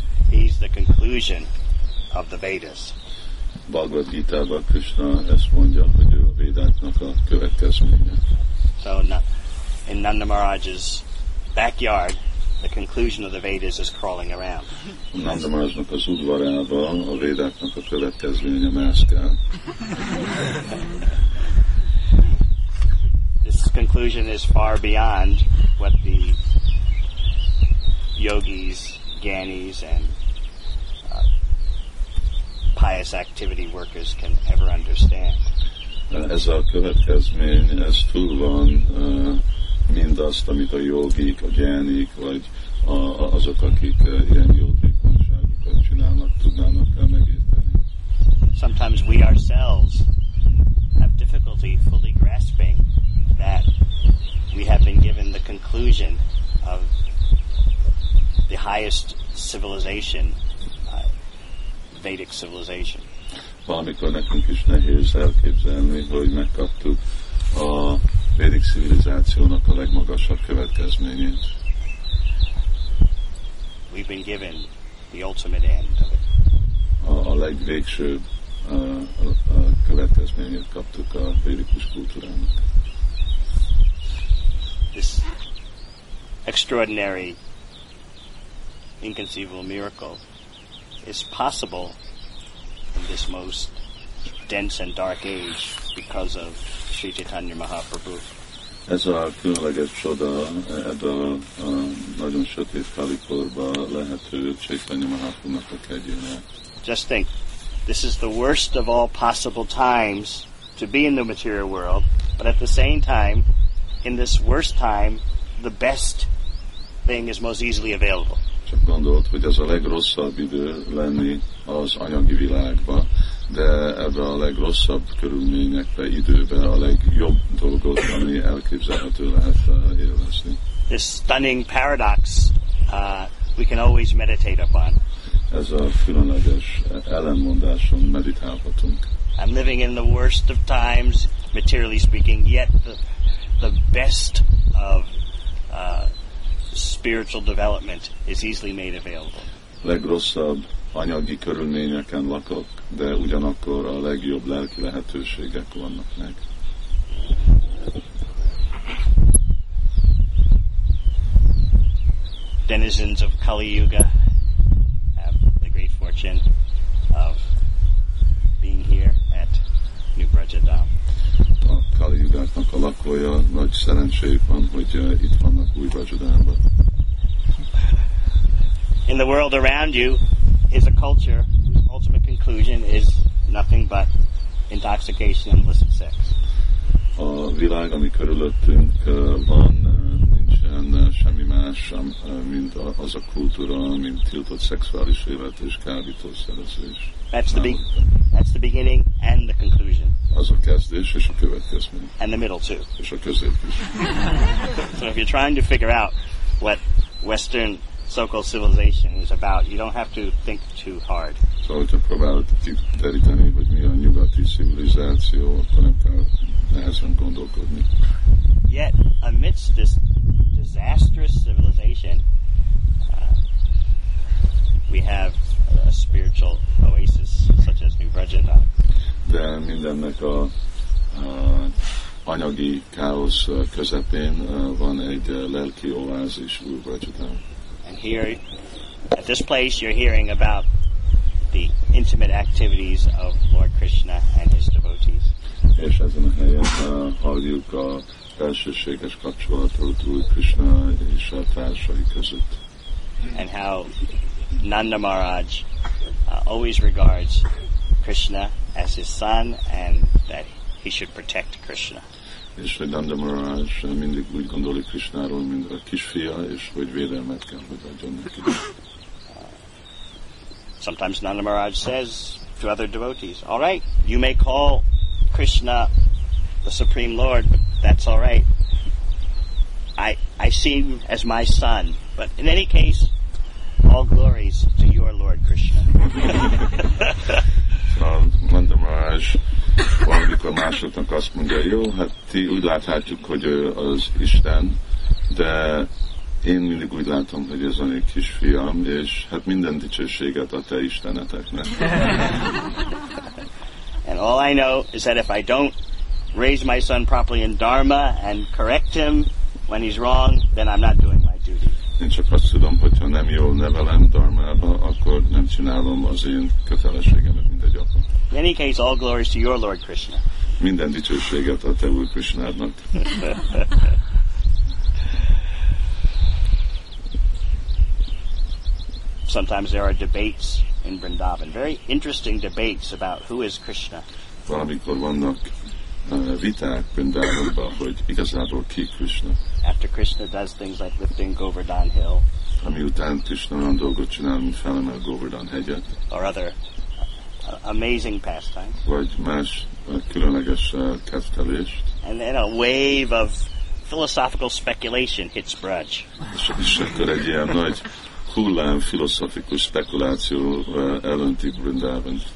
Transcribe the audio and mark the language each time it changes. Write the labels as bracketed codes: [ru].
[en] He's the conclusion of the Vedas. Bhagavad Gita, Bhagavad Krishna, Esponja, Vedaya, Vedatnaka, Kivetasmina. So in Nanda Maharaj's backyard, the conclusion of the Vedas is crawling around. [hu] Nanda Maharaj's udvarába, a Vedáknak a következménye mászkál. [en] This conclusion is far beyond what the yogis, gyanis, and pious activity workers can ever understand. [hu] Ez a következmény, ez túl van mindazt, amit a jogik, a gyánik, vagy azok, akik ilyen jótékonyságokat csinálnak, tudnának el megérteni. [en] Sometimes we ourselves have difficulty fully grasping that we have been given the conclusion of the highest civilization, Vedic civilization. [hu] Valamikor nekünk is nehéz elképzelni, hogy megkaptuk a Védik civilizációnak a legmagasabb következményét. [en] We've been given the ultimate end of it. [hu] A legvégsőbb a következményét kaptuk a védikus kultúrának. [en] This extraordinary, inconceivable miracle is possible in this most dense and dark age because of Sri Chaitanya Mahaprabhu. [hu] Ez a különleges csoda ebben a nagyon sötét kalikorban lehető Chaitanya Mahaprabhunak a kegyére. [en] Just think, this is the worst of all possible times to be in the material world, but at the same time, in this worst time, the best thing is most easily available. [hu] Csak gondolt, hogy ez a legrosszabb idő lenni az anyagi világban, de ebben a legrosszabb körülményekben, időben a legjobb dolgot, ami elképzelhető lehet élvezni. [en] This stunning paradox we can always meditate upon. [hu] Ez a különleges ellenmondáson meditálhatunk. [en] I'm living in the worst of times, materially speaking, yet the best of spiritual development is easily made available. [hu] Legrosszabb anyagi körülményeken lakok, de ugyanakkor a legjobb lelki lehetőségek vannak meg. [en] Denizens of Kali Yuga have the great fortune of being here at New Brajadam. [hu] A Kali Yugának a lakója nagy szerencséjük van, hogy itt vannak Új Brajadamban. [en] In the world around you is a culture whose ultimate conclusion is nothing but intoxication and illicit sex. [hu] A világ, ami körülöttünk van, nincsen semmi más, mint az a kultúra, mint tiltott szexuális élet és kábítószerezés. [en] That's the beginning and the conclusion. [hu] Az a kezdés és a következmény. [en] And the middle too. [hu] És a közép is. [en] So if you're trying to figure out what Western so-called civilization is about, you don't have to think too hard. So to provide [hu] deríteni, hogy mi a nyugati civilizáció, akkor nem kell nehezen gondolkodni. [en] Yet, amidst this disastrous civilization, we have a spiritual oasis such as New Brajadam. [hu] De mindennek a anyagi káosz közepén van egy lelki oázis, New Brajadam. [en] And here, at this place, you're hearing about the intimate activities of Lord Krishna and his devotees. [hu] És ezen a helyen halljuk a elsőséges kapcsolatot Úr Krishna és a társai között. [en] And how Nanda Maharaj always regards Krishna as his son and that he should protect Krishna. [hu] és hogy Nanda Maharaj mindig úgy gondolja Krishnáról, mint a kisfia, és hogy védelmet kell, hogy adjon neki. [en] Sometimes Nanda Maharaj says to other devotees, all right, you may call Krishna the Supreme Lord, but that's all right. I see you as my son, but in any case, all glories to your Lord Krishna. [hu] So, Nanda Maharaj, valamikor másoknak azt mondja, jó, hát ti úgy láthatjuk, hogy ő az Isten, de én mindig úgy látom, hogy ez a egy kisfiam, és hát minden dicsőséget a te isteneteknek. [en] And all I know is that if I don't raise my son properly in Dharma and correct him when he's wrong, then I'm not doing my duty. [hu] Én csak azt tudom, hogyha nem jól nevelem Dharmába, akkor nem csinálom az én kötelességemet, mint egy apa. [en] In any case, all glories to your Lord Krishna. [hu] Minden dicsőséget a te Úr Krishnádnak. [en] Sometimes there are debates in Vrindavan, very interesting debates about who is Krishna. [hu] Valamikor vannak viták Vrindavanban, hogy igazából ki Krishna. [en] After Krishna does things like lifting Govardhan Hill. [hu] Amiután Krishna olyan dolgot csinál, mint felemel Govardhan hegyet. [en] Or other amazing pastimes. [hu] Vagy más különleges kettelés. [en] And then a wave of philosophical speculation hits Braj. [hu] És akkor egy ilyen nagy hullám filozofikus spekuláció elönti Vrindavant.